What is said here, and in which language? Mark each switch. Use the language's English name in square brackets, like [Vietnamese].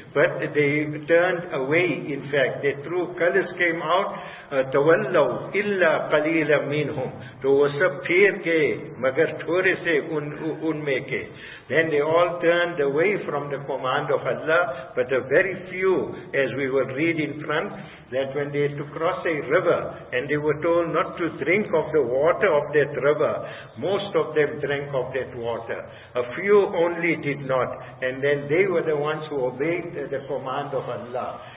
[English] But they turned away, in fact, the true colors came out. [Arabic] تولوا إلا قليلا منهم. [Urdu] تو وہ سب پھیر گئے مگر تھوڑے سے ان میں کے. [English] Then they all turned away from the command of Allah, but a very few, as we will read in front, that when they had to cross a river, and they were told not to drink of the water of that river, most of them drank of that water. A few only did not, and then they were the ones who obeyed the command of Allah.